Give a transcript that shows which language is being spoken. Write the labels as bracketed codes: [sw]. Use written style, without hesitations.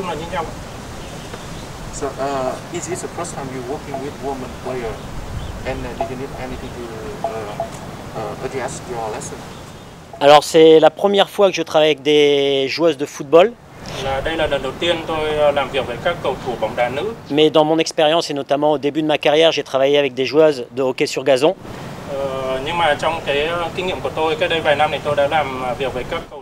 [en] Is this the first time you're working with women players? And did you need anything to adjust your lesson? [fr] Alors c'est la première fois que je travaille avec des joueuses de football. [vi] Đây là lần đầu tiên tôi làm việc avec các cầu thủ bóng đá nữ. [fr] Mais dans mon expérience et notamment au début de ma carrière, j'ai travaillé avec des joueuses de hockey sur gazon. [vi] Nhưng mà trong cái kinh nghiệm của tôi, cách đây vài năm thì tôi đã làm việc với các cầu